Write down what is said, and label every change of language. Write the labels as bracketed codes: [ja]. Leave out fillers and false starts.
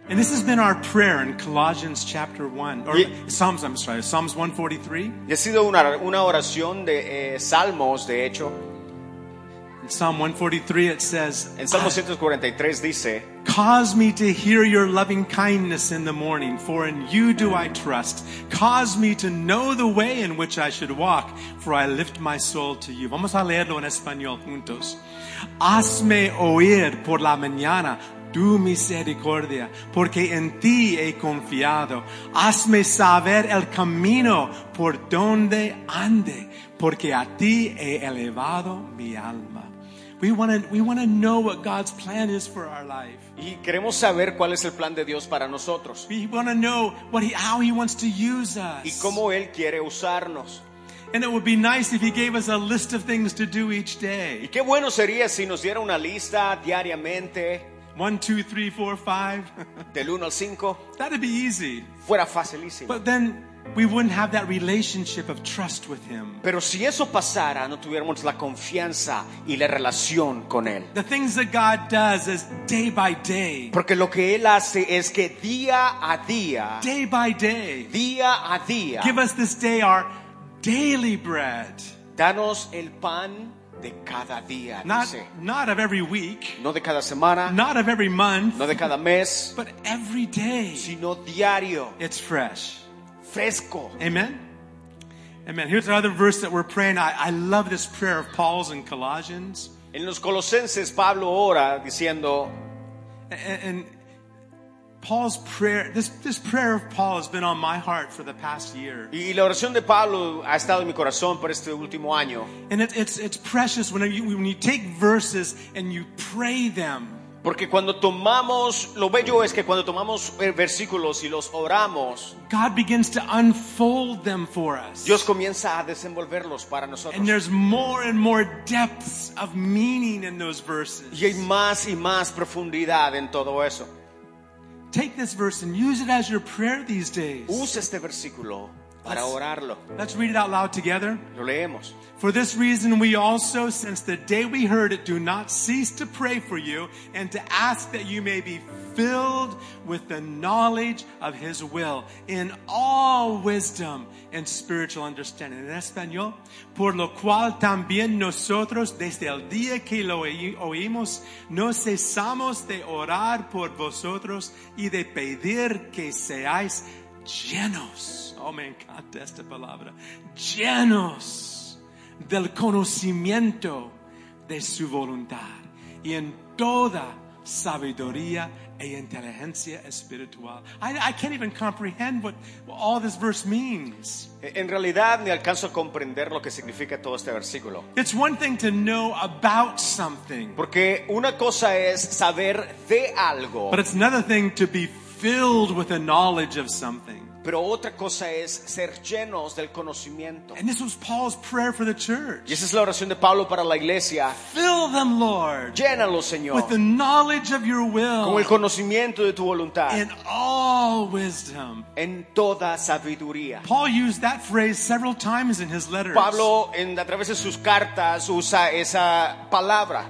[en] And this has been our prayer in Colossians chapter 1, or Psalms, I'm sorry, Psalms 143. [es] Y ha sido una oración de Salmos, de hecho. [en] In Psalm 143 it says, [es] en Salmo 143 dice, [en] cause me to hear your loving kindness in the morning, for in you do I trust. Cause me to know the way in which I should walk, for I lift my soul to you. [es] Vamos a leerlo en español juntos. Hazme oír por la mañana tu misericordia, porque en ti he confiado. Hazme saber el camino por donde ande, porque a ti he elevado mi alma. [en] We want to know what God's plan is for our life. [es] Y queremos saber cuál es el plan de Dios para nosotros. [en] We want to know how he wants to use us. [es] Y cómo él quiere usarnos. [en] And it would be nice if he gave us a list of things to do each day. [es] Y qué bueno sería si nos diera una lista diariamente. [en] 1, 2, 3, 4, 5. [es] Del 1 al 5. [en] That'd be easy. [es] Fuera facilísimo. [en] But then we wouldn't have that relationship of trust with him. [es] Pero si eso pasara, no tuviéramos la confianza y la relación con él. [en] The things that God does is day by day. [es] Porque lo que él hace es que día a día. [en] Day by day. [es] Día a día. [en] Give us this day our daily bread. [es] Danos el pan de cada día, [en] not of every week, [es] no de cada semana, [en] not of every month, [es] no de cada mes, [en] but every day, [es] sino diario. [en] It's fresh, [es] fresco. [en] Amen. Amen. Here's another verse that we're praying. I love this prayer of Paul's in Colossians. [es] En los Colosenses Pablo ora diciendo, [en] and Paul's prayer, this prayer of Paul has been on my heart for the past year. [es] Y la oración de Pablo ha estado en mi corazón por este último año. [en] And it's precious when you take verses and you pray them. [es] Porque cuando tomamos, lo bello es que cuando tomamos versículos y los oramos, [en] God begins to unfold them for us. [es] Dios comienza a desenvolverlos para nosotros. [en] And there's more and more depths of meaning in those verses. [es] Y hay más y más profundidad en todo eso. [en] Take this verse and use it as your prayer these days. [es] Usa este versículo para orarlo. [en] Let's read it out loud together. [es] Lo leemos. [en] For this reason we also, since the day we heard it, do not cease to pray for you and to ask that you may be filled with the knowledge of his will in all wisdom and spiritual understanding. [es] En español. Por lo cual también nosotros, desde el día que lo oímos, no cesamos de orar por vosotros y de pedir que seáis llenos. Oh, me encanta esta palabra. Llenos del conocimiento de su voluntad y en toda sabiduría e inteligencia espiritual. [en] I can't even comprehend what all this verse means. [es] En realidad ni alcanzo a comprender lo que significa todo este versículo. [en] It's one thing to know about something. [es] Porque una cosa es saber de algo. [en] But it's another thing to be filled with a knowledge of something. [es] Pero otra cosa es ser llenos del conocimiento. [en] And this was Paul's prayer for the church. [es] Y esa es la oración de Pablo para la iglesia. [en] Fill them, Lord. [es] Llénalos, Señor. [en] With the knowledge of your will. [es] Con el conocimiento de tu voluntad. [en] In all wisdom. [es] En toda sabiduría. [en] Paul used that phrase several times in his letters. [es] Pablo, a través de sus cartas, usa esa palabra.